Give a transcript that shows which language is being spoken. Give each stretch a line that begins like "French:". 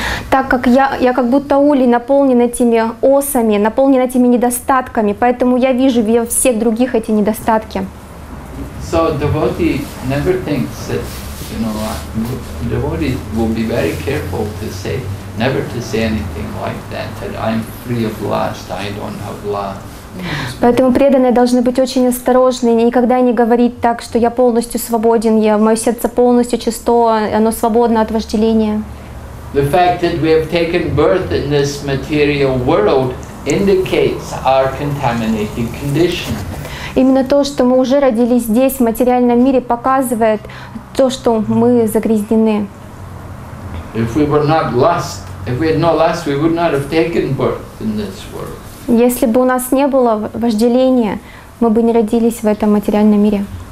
Russian: Так как я как будто улей наполнен этими осами, наполнен этими недостатками, поэтому я вижу во всех других эти недостатки.
English: So devotee never thinks that, you know, devotee will be very careful to say, never to say anything like that, that I'm free of lust, I don't have lust.
Russian: Поэтому преданные должны быть очень осторожны, никогда не говорить так, что я полностью свободен, мое сердце полностью чисто, оно свободно от вожделения.
English: The fact that we have taken birth in this material world indicates our contaminated condition.
Russian: Именно то, что мы уже родились здесь, в материальном мире, показывает то, что мы загрязнены.
English: If we were not lust, if we had no lust, we would not have taken birth in this world.
Russian: Если бы у нас не было вожделения, мы бы не родились в этом материальном мире.